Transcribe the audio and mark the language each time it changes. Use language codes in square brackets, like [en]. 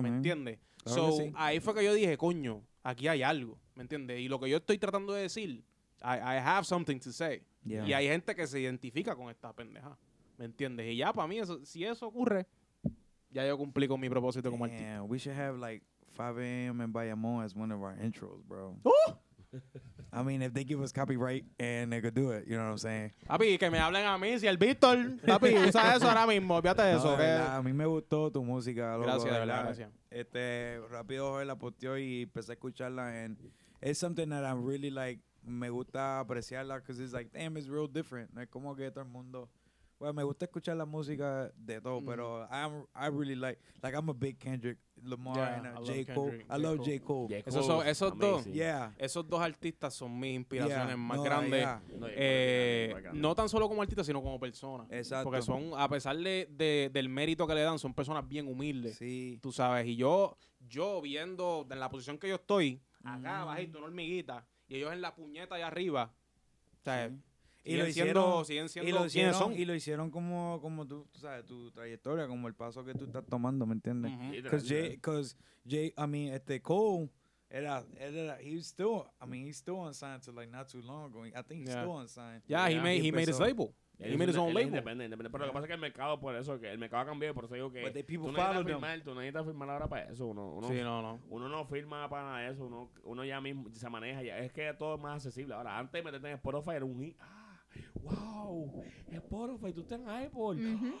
[es] ¿me entiendes? Claro, so, sí. Ahí fue que yo dije, coño, aquí hay algo, ¿me entiendes? Y lo que yo estoy tratando de decir, [en] I have something to say. [es] Yeah. Y hay gente que se identifica con esta pendeja, ¿me entiendes? Y ya para mí, eso, si eso ocurre, ya yo cumplí con mi propósito como artista. [en] Yeah, we should have like 5 a.m. in Bayamón as one of our intros, bro. ¡Oh! I mean, if they give us copyright and they could do it, you know what I'm saying? [es] Papi, que me hablen a mí, si el Víctor, papi, usa eso ahora mismo, fíjate eso. No, a mí me gustó tu música, loco. Gracias, de verdad, gracias. Rápido la posteó y empecé a escucharla, [en] and it's something that I'm really like, [es] me gusta apreciarla, [en] because it's like, damn, it's real different. [es] No es como que todo el mundo, bueno, me gusta escuchar la música de todo, pero [en] I really like, I'm a big [es] Kendrick. Lamar, [en] and J. Cole. Kendrick. I love J. Cole. [es] Esos dos artistas son mis inspiraciones más grandes. No tan solo como artistas, sino como personas. Exacto. Porque son, a pesar del mérito que le dan, son personas bien humildes. Sí. Tú sabes. Y yo viendo en la posición que yo estoy, acá bajito, una hormiguita, y ellos en la puñeta allá arriba. O sea, Y lo hicieron como tú sabes, tu trayectoria, como el paso que tú estás tomando, ¿me entiendes? [en] Because Cole, he's still unsigned to like not too long ago. I think he's still unsigned. Yeah, he made his label. He made his own label. [es] Independiente. Pero lo que pasa es que el mercado, por eso, que el mercado ha cambiado, por eso digo que tú no necesitas firmar ahora para eso. Uno no firma para nada de eso. Uno ya mismo se maneja. Ya. Es que todo es más accesible. Ahora, antes de meterte en Spotify era un hit. Wow, Spotify, tú estás en Apple.